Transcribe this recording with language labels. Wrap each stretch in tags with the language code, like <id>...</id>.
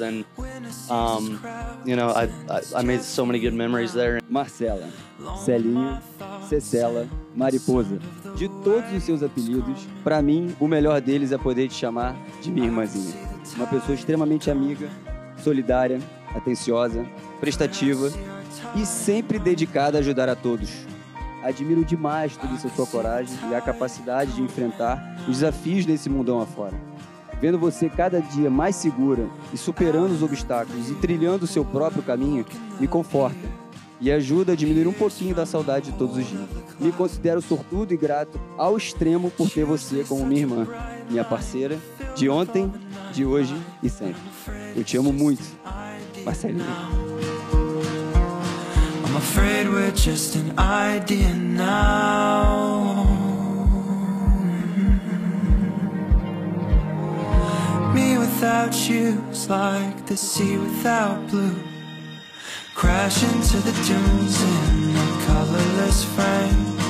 <en>And, I made so many good memories there.</en> <pt>Marcela, Celinho, Marcela, Mariposa. De todos os seus apelidos, para mim, o melhor deles é poder te chamar de minha irmãzinha. Uma pessoa extremamente amiga, solidária, atenciosa, prestativa e sempre dedicada a ajudar a todos. Admiro demais toda essa sua coragem e a capacidade de enfrentar os desafios desse mundão afora. Vendo você cada dia mais segura e superando os obstáculos e trilhando o seu próprio caminho, me conforta e ajuda a diminuir um pouquinho da saudade de todos os dias. Me considero sortudo e grato ao extremo por ter você como minha irmã, minha parceira, de ontem, de hoje e sempre. Eu te amo muito, Marcelinha.</pt> <en>I'm afraid we're just an idea now. Me without you's like the sea without blue. Crash into the dunes in a colorless frame.</en>